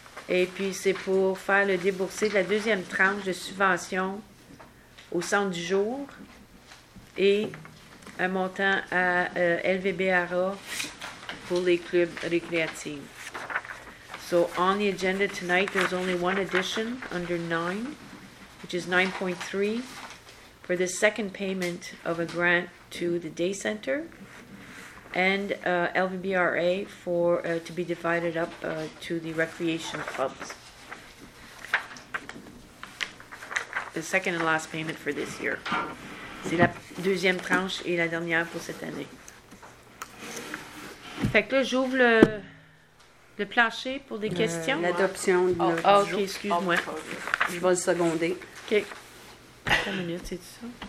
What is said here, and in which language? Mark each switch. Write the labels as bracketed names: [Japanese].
[French] Et puis, c'est pour faire le déboursé de la deuxième tranche de subvention au centre du jour et un montant à LVBRA pour les clubs récréatifs. [English] So, on the agenda tonight, there's only one addition under 9, which is 9.3. for the second payment of a grant to the day center and LVBRA for to be divided up to the recreation clubs. The second and last payment for this year. [French] C'est la deuxième tranche et la dernière pour cette année. Fait que là, j'ouvre le plancher pour des questions. L'adoption de notre jour. OK, excuse-moi. Je vais le seconder. OK. 10 minutes, c'est ça?